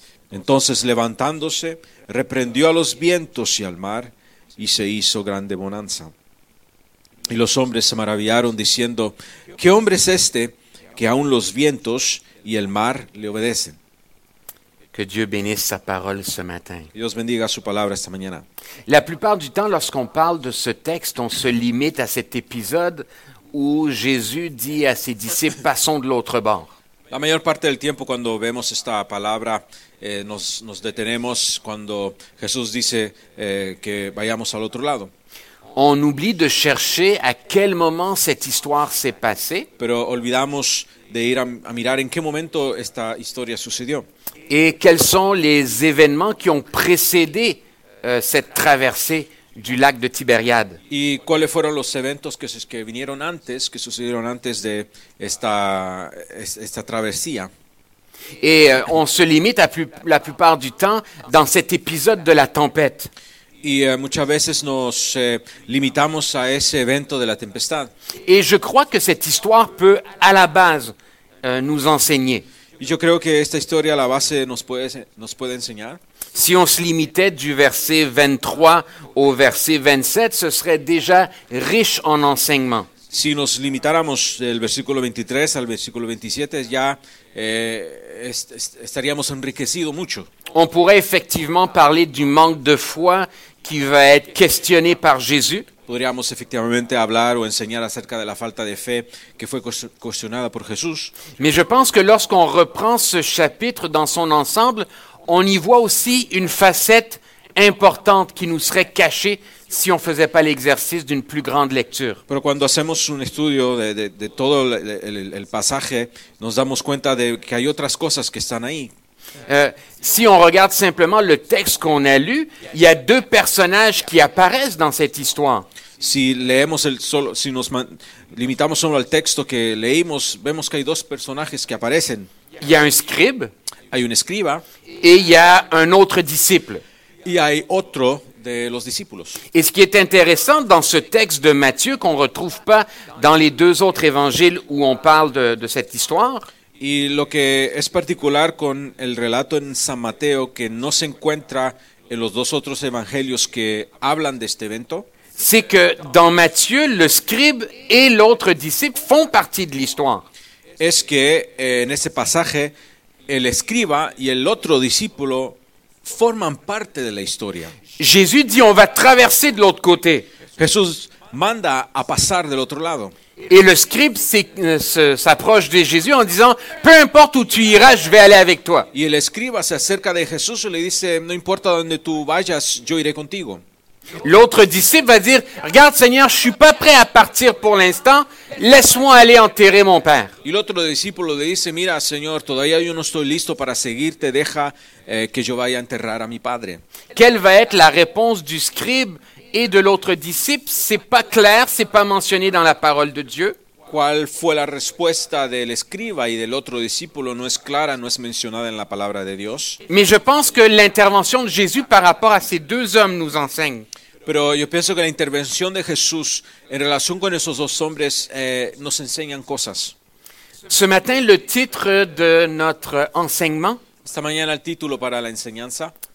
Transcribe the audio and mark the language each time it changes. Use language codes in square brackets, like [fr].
[es] Entonces, levantándose, reprendió a los vientos y al mar, y se hizo grande bonanza. Y los hombres se maravillaron, diciendo, ¿qué hombre es este que aún los vientos y el mar le obedecen? [fr] Que Dieu bénisse sa parole ce matin. [es] Dios bendiga su palabra esta mañana. [fr] La plupart du temps, lorsqu'on parle de ce texte, on se limite à cet épisode où Jésus dit à ses disciples, passons de l'autre bord. [es] La mayor parte del tiempo cuando vemos esta palabra, nos detenemos cuando Jesús dice que vayamos al otro lado. [fr] On oublie de chercher à quel moment cette histoire s'est passée. [es] Pero olvidamos de ir a mirar en qué momento esta historia sucedió. [fr] Et quels sont les événements qui ont précédé cette traversée du lac de Tibériade. [es] ¿Y cuáles fueron los eventos que vinieron antes, que sucedieron antes de esta travesía? [fr] Et on se limite à la plupart du temps dans cet épisode de la tempête. [es] Y muchas veces nos limitamos a ese evento de la tempestad. [fr] Et je crois que cette histoire peut à la base nous enseigner. [es] Y yo creo que esta historia a la base nos puede enseñar. [fr] Si on se limitait du verset 23 au verset 27, ce serait déjà riche en enseignement. [es] Si nos limitáramos del versículo 23 al versículo 27, ya estaríamos enriquecido mucho. [fr] On pourrait effectivement parler du manque de foi qui va être questionné par Jésus. [es] Podríamos efectivamente hablar o enseñar acerca de la falta de fe que fue cuestionada por Jesús. [fr] Mais je pense que lorsqu'on reprend ce chapitre dans son ensemble, on y voit aussi une facette importante qui nous serait cachée si on ne faisait pas l'exercice d'une plus grande lecture. [es] Pero cuando hacemos un estudio de todo el pasaje, nos damos cuenta de que hay otras cosas que están ahí. [fr] Si on regarde simplement le texte qu'on a lu, il y a deux personnages qui apparaissent dans cette histoire. [es] Si leemos el solo, si nos man, limitamos solo al texto que leímos, vemos que hay dos personajes que aparecen. [fr] Il y a un scribe. [es] Hay un escriba. [fr] Et il y a un autre disciple. [es] Y hay otro de los discípulos. [fr] Et ce qui est intéressant dans ce texte de Matthieu qu'on retrouve pas dans les deux autres évangiles où on parle de cette histoire. [es] Y lo que es particular con el relato en San Mateo que no se encuentra en los dos otros evangelios que hablan de este evento. [fr] C'est que dans Matthieu, le scribe et l'autre disciple font partie de l'histoire. [es] Es que en ese pasaje el escriba y el otro discípulo forman parte de la historia. [fr] Jésus dit on va traverser de l'autre côté. [es] Jesús manda a pasar del otro lado. [fr] Et le scribe s'approche de Jésus en disant peu importe où tu iras, je vais aller avec toi. [es] Y el escriba se acerca de Jesús y le dice no importa dónde tú vayas, yo iré contigo. [fr] L'autre disciple va dire regarde Seigneur, je suis pas prêt à partir pour l'instant, laisse-moi aller enterrer mon père. [es] Y el otro discípulo le dice mira Señor, todavía yo no estoy listo para seguirte, deja que yo vaya a enterrar a mi padre. [fr] Quelle va être la réponse du scribe et de l'autre disciple? C'est pas clair, c'est pas mentionné dans la parole de Dieu. [es] ¿Cuál fue la respuesta del escriba y del otro discípulo? No es clara, no es mencionada en la palabra de Dios. [fr] Mais je pense que l'intervention de Jésus par rapport à ces deux hommes nous enseigne. [es] Pero yo pienso que la intervención de Jesús en relación con esos dos hombres nos enseñan cosas. [fr] Ce matin, le titre de notre enseignement. [es] Esta mañana el título para la enseñanza.